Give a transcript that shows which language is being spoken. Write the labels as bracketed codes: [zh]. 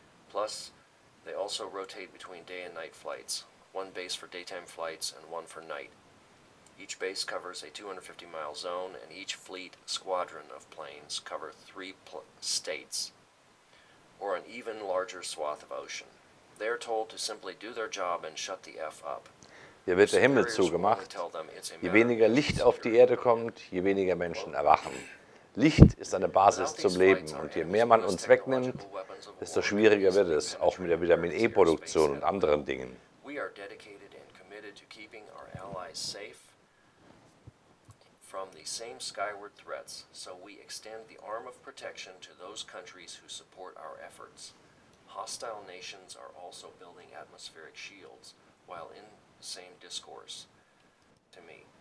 [en] Plus, they also rotate between day and night flights, one base for daytime flights and one for night. Each base covers a 250-mile zone, and each fleet squadron of planes cover three states, or an even larger swath of ocean. They're told to simply do their job and shut the F up. [de] Hier wird der Himmel zugemacht. Je weniger Licht auf die Erde kommt, je weniger Menschen erwachen. Licht ist eine Basis zum Leben und je mehr man uns wegnimmt, desto schwieriger wird es, auch mit der Vitamin-E-Produktion und anderen Dingen. [en] We are dedicated and committed to keeping our allies safe from the same skyward threats, so we extend the arm of protection to those countries who support our efforts. Hostile nations are also building atmospheric shields, while in the same discourse to me.